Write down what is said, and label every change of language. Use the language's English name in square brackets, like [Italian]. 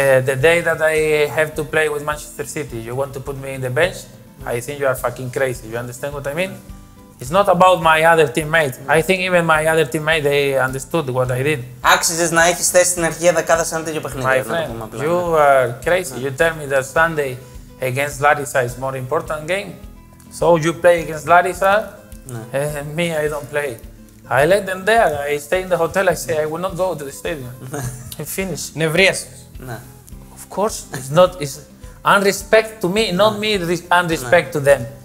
[English] the day that I have to play with Manchester City, you want to put me in the bench? I think you are fucking crazy. You understand what I mean? It's not about my other teammates. I think even my other teammates they understood what I did. [Greek] Άξιζες να έχεις θέση στην αρχή δεκάδα σαν τέτοιο παιχνίδι. [English] My friend, you are crazy. You tell me that Sunday against Larissa is more important game. So you play against Larissa, and me I don't play. I let them there. I stay in the hotel. I say I will not go to the stadium. I finish. [Greek] Νευρίασες. [English] Of course, it's not. It's unrespect to me, not me. Unrespect to them.